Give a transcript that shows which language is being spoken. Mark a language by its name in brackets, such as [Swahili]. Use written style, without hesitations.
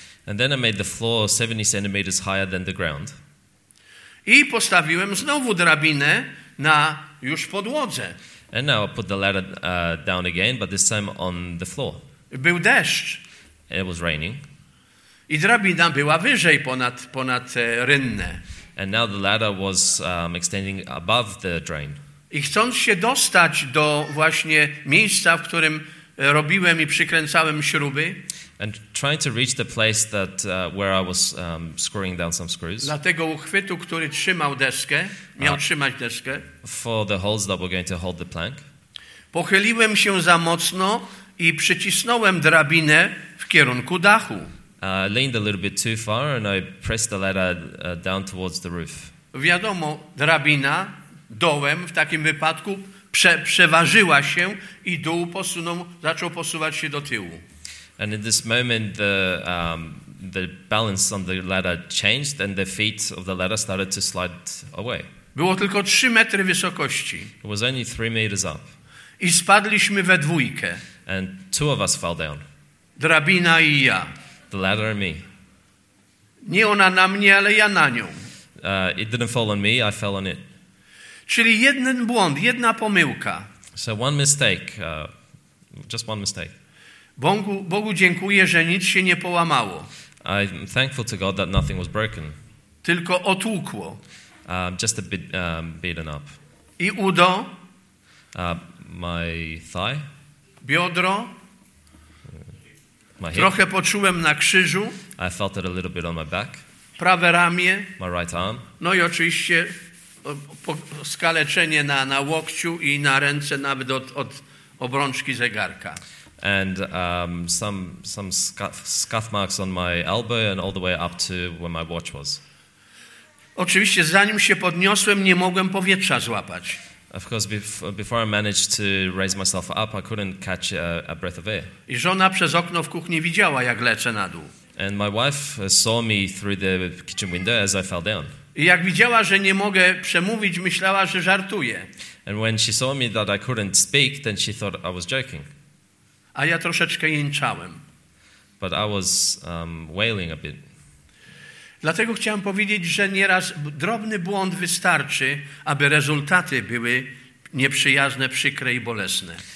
[English] And then I made the floor 70 centimeters higher than the ground. [Polish] I postawiłem znowu drabinę na już podłodze. [English] And now I put the ladder down again, but this time on the floor. [Polish] Był deszcz. [English] It was raining. [Polish] I drabina była wyżej ponad rynnę. [English] And now the ladder was extending above the drain. [Polish] I chcąc się dostać do właśnie miejsca, w którym robiłem i przykręcałem śruby. [English] And trying to reach the place that where I was screwing down some screws. [Polish] Dlatego uchwytu, który trzymał deskę, miał trzymać deskę. [English] For the holds that were going to hold the plank. [Polish] Pochyliłem się za mocno i przycisnąłem drabinę w kierunku dachu. [English] Leaned a little bit too far and I pressed the ladder down towards the roof. [Polish] Wiadomo, drabina dołem w takim wypadku przeważyła się i dół zaczął posuwać się do tyłu. [English] And in this moment the balance on the ladder changed and the feet of the ladder started to slide away. [Polish] Było tylko 3 metry wysokości. [English] It was only 3 meters up. [Polish] I spadliśmy we dwójkę. [English] And two of us fell down. [Polish] Drabina i ja. [English] The ladder and me. [Polish] Nie ona na mnie, ale ja na nią. [English] It didn't fall on me, I fell on it. [Polish] Czyli jeden błąd, jedna pomyłka. [English] So one mistake, just one mistake. [Polish] Bogu dziękuję, że nic się nie połamało. [English] I'm thankful to God that nothing was broken. [Polish] Tylko otłukło. [English] Just a bit beaten up. [Polish] I udo. [English] My thigh. [Polish] Biodro. [English] My hip. [Polish] Trochę poczułem na krzyżu. [English] I felt it a little bit on my back. [Polish] Prawe ramię. [English] My right arm. [Polish] No i oczywiście skaleczenie na łokciu i na ręce, nawet od obrączki zegarka. [English] And some scuff marks on my elbow and all the way up to where my watch was. [Polish] Oczywiście, zanim się podniosłem, nie mogłem powietrza złapać. [English] Of course, before I managed to raise myself up, I couldn't catch a breath of air. [Polish] I żona przez okno w kuchni widziała, jak leczę na dół. [English] And my wife saw me through the kitchen window as I fell down. [Polish] I jak widziała, że nie mogę przemówić, myślała, że żartuję. [English] And when she saw me that I couldn't speak, then she thought I was joking. [Polish] A ja troszeczkę jęczałem. [English] But I was wailing a bit. [Polish] Dlatego chciałem powiedzieć, że nieraz drobny błąd wystarczy, aby rezultaty były nieprzyjazne, przykre i bolesne.